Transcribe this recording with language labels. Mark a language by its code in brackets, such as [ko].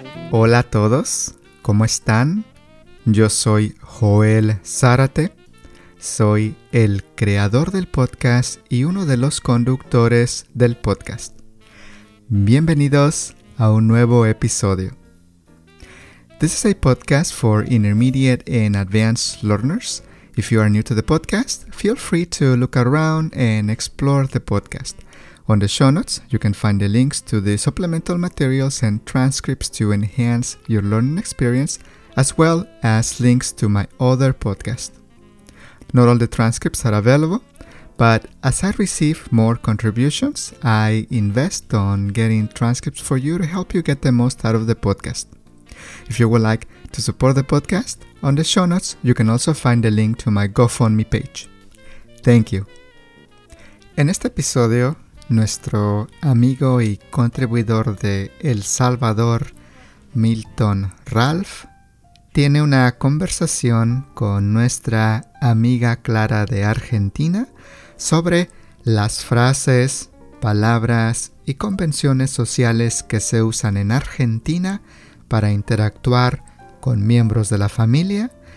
[es] Hola a todos, ¿cómo están? Yo soy Joel Zárate, soy el creador del podcast y uno de los conductores del podcast. Bienvenidos a un nuevo episodio. [en] This is a podcast for intermediate and advanced learners. If you are new to the podcast, feel free to look around and explore the podcast. On the show notes, you can find the links to the supplemental materials and transcripts to enhance your learning experience, as well as links to my other podcast. Not all the transcripts are available, but as I receive more contributions, I invest on getting transcripts for you to help you get the most out of the podcast. If you would like to support the podcast, on the show notes, you can also find the link to my GoFundMe page. Thank you. [es] En este episodio, nuestro amigo y contribuidor de El Salvador, Milton Ralph, tiene una conversación con nuestra amiga Clara de Argentina sobre las frases, palabras y convenciones sociales que se usan en Argentina para interactuar con miembros de la familia